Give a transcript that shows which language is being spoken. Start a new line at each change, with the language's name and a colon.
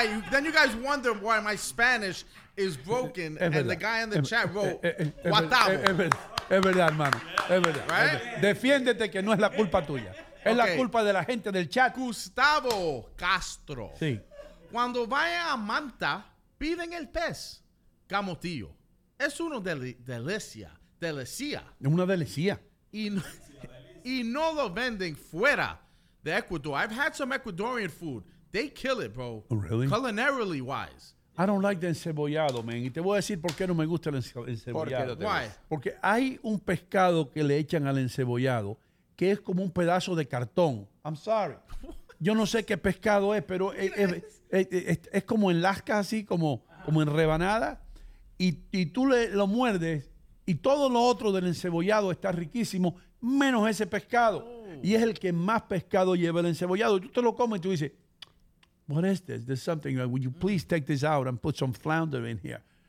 English: Then you guys wonder why my Spanish is broken and the guy in the chat wrote Gustavo.
Spanish: Es verdad, hermano. Es verdad.
English: Right?
Spanish: Defiéndete que no es la culpa tuya. Es okay. La culpa de la gente del chat. Gustavo Castro. Sí. Cuando vaya a Manta, piden el pez camotillo. Es una delicia. Delicia. Es una delicia. Y no lo venden fuera de Ecuador.
English: I've had some Ecuadorian food. They kill it, bro. Oh, really? Culinarily wise. I don't like the encebollado, man.
Spanish: Y te voy a decir por qué no me gusta el encebollado.
English: Why?
Spanish: Porque hay un pescado que le echan al encebollado que es como un pedazo de cartón.
English: I'm sorry.
Spanish: Yo no sé qué pescado es, pero es como en lasca, así como en rebanada. Y tú lo muerdes. Y todo lo otro del encebollado está riquísimo, menos ese pescado. Oh. Y es el que más pescado lleva el encebollado. Y tú te lo comes y tú dices,
English: what is this? There's something. Would you please take this out and put some flounder in here?